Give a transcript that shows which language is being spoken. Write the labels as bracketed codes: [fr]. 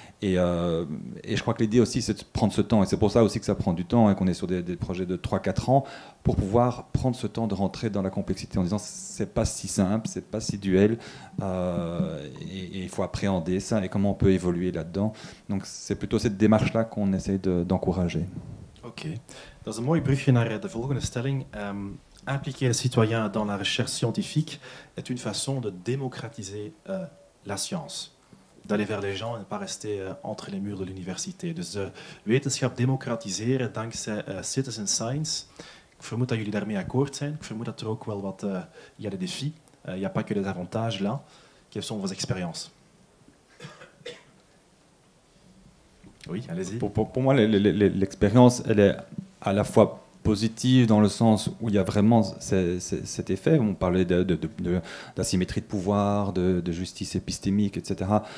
[fr] Et je crois que l'idée aussi, c'est de prendre ce temps. Et c'est pour ça aussi que ça prend du temps et qu'on est sur des projets de 3-4 ans pour pouvoir prendre ce temps de rentrer dans la complexité en disant c'est pas si simple, c'est pas si duel. Et il faut appréhender ça et comment on peut évoluer là-dedans. Donc c'est plutôt cette démarche-là qu'on essaie d'encourager. [nl] Ok, dat is een mooi brugje naar de volgende stelling. [fr] Impliquer les citoyens dans la recherche scientifique est une façon de démocratiser la science. D'aller vers les gens et ne pas rester entre les murs de l'université. [nl] Dus de wetenschap démocratiseren dankzij citizen science. Ik vermoed dat jullie daarmee akkoord zijn. Ik vermoed dat er ook wel wat... [fr] Il y a des défis. Il n'y a pas que des avantages là. Quelles sont vos expériences? Oui, allez-y. Pour moi, l'expérience, elle est à la fois positive dans le sens où il y a vraiment cet effet. On parlait d'asymétrie de pouvoir, de justice épistémique, etc.